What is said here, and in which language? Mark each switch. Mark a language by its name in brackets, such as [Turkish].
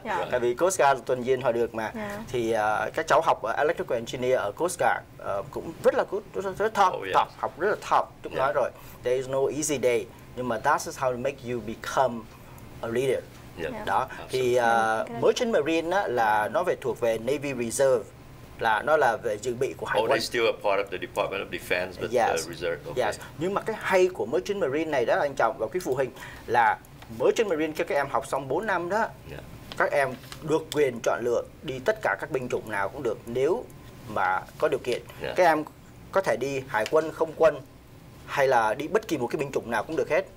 [Vietnamese] Tại vì Coast Guard tuần duyên họ được mà. Thì các cháu học ở Electrical Engineer ở Coast Guard cũng rất là top, học rất là top. Chúng nói rồi, [English] there is no easy day, [Vietnamese] nhưng mà [English] that is how to make you become a leader. [Vietnamese] Đó. Thì Merchant Marine á, là nó về thuộc về Navy Reserve. là nó là về dự bị của Hải quân. [English] Oh, they're still a part of the Department of Defense, but yes. Reserve. Okay. Yes. [Vietnamese] Nhưng mà cái hay của Merchant Marine này đó là anh Trọng và quý phụ huynh là Merchant Marine khi các em học xong 4 năm đó, các em được quyền chọn lựa đi tất cả các binh chủng nào cũng được nếu mà có điều kiện. Các em có thể đi Hải quân, Không quân hay là đi bất kỳ một cái binh chủng nào cũng được hết.